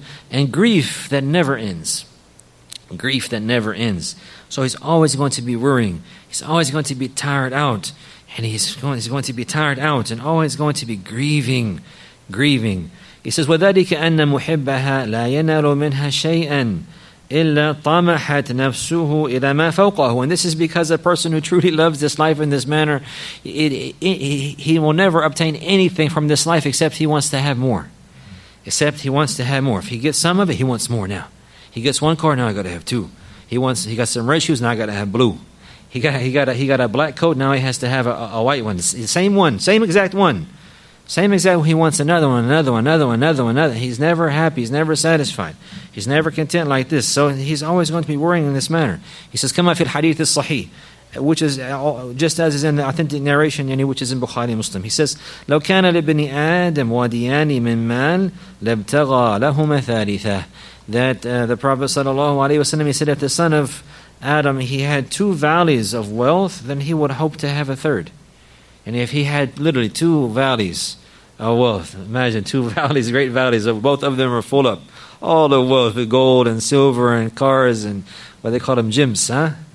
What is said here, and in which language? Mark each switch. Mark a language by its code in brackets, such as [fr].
[en] And grief that never ends. Grief that never ends. So he's always going to be worrying. He's always going to be tired out. And he's going to be tired out and always going to be grieving. He says, [ar] وَذَلِكَ أَنَّ مُحِبَّهَا لَا يَنَالُ مِنْهَا شَيْئًا إِلَّا طَمَحَتْ نَفْسُهُ إِلَى مَا فَوْقَهُ. [en] And this is because a person who truly loves this life in this manner, he will never obtain anything from this life except he wants to have more. Except he wants to have more. If he gets some of it, he wants more now. He gets one car, now I got to have two. He got some red shoes, now I got to have blue. He got a black coat, now he has to have a white one. Same one, same exact one. Same exact one, he wants another one, another one, another one, another one, another. He's never happy, he's never satisfied. He's never content like this. So he's always going to be worrying in this manner. He says, [ar] كَمَا فِي الْحَدِيثِ الصَّحِيحِ, [en] which is just as is in the authentic narration, yani, which is in Bukhari Muslim. He says, [ar] لَوْ كَانَ لِبْنِ آدَمْ وَدِيَانِ مِنْ مَالْ لَبْتَغَى لَهُمَ ثَالِثَةً. [en] That the Prophet sallallahu alaihi wasallam, he said, if the son of Adam, he had two valleys of wealth, then he would hope to have a third. And if he had literally two valleys of wealth, imagine two valleys, great valleys, of both of them are full up, all the wealth, the gold and silver and cars and what they call them, gyms, huh?